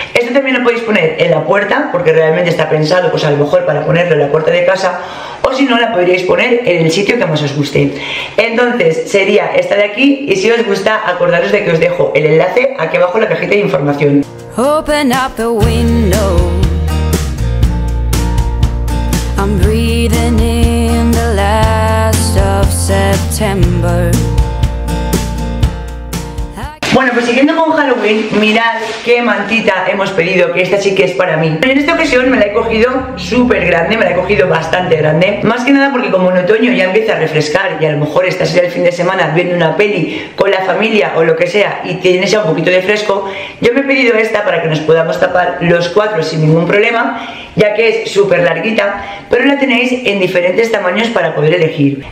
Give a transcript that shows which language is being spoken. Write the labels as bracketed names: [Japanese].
[Spanish] Esto también lo podéis poner en la puerta, porque realmente está pensado, pues a lo mejor para ponerlo en la puerta de casa, o si no, la podríais poner en el sitio que más os guste. Entonces sería esta de aquí, y si os gusta, acordaros de que os dejo el enlace aquí abajo en la cajita de información. [English] Open up the window. breathing in the last of September. [Spanish] Bueno, pues siguiendo con Halloween, mirad qué mantita hemos pedido, que esta sí que es para mí. En esta ocasión me la he cogido súper grande, me la he cogido bastante grande. Más que nada porque como en otoño ya empieza a refrescar y a lo mejor estás ya el fin de semana viendo una peli con la familia o lo que sea y tienes ya un poquito de fresco, yo me he pedido esta para que nos podamos tapar los cuatro sin ningún problema, ya que es súper larguita, pero la tenéis en diferentes tamaños para poder elegir.